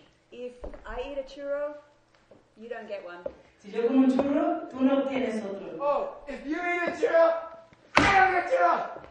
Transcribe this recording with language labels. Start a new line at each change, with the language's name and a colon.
English: If I eat a churro, you don't get one.
Spanish: Si yo como un churro, tú no tienes otro.
English: Oh, if you eat a churro, I don't get churro.